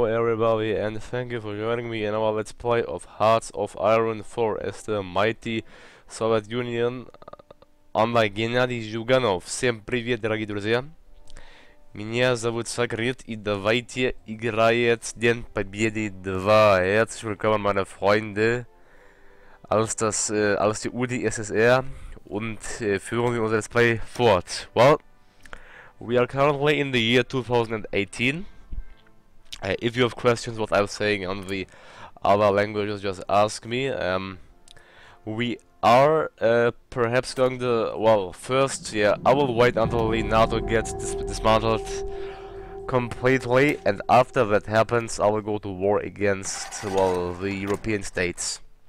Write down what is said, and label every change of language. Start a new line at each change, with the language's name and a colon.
English: everybody, and thank you for joining me in our let's play of Hearts of Iron 4 as the mighty Soviet Union on by Gennady Zhuganov.
Russian: Всем привет, дорогие друзья! Меня зовут Сокрит, и давайте играет День Победы 2.
German: Herzlich willkommen, meine Freunde, als die UdSSR, und führen wir unser Let's Play fort.
English: Well, we are currently in the year 2018. If you have questions what I'm saying on the other languages, just ask me. We are perhaps going to, well, first, yeah, I will wait until the NATO gets dismantled completely, and after that happens I will go to war against, well, the European states.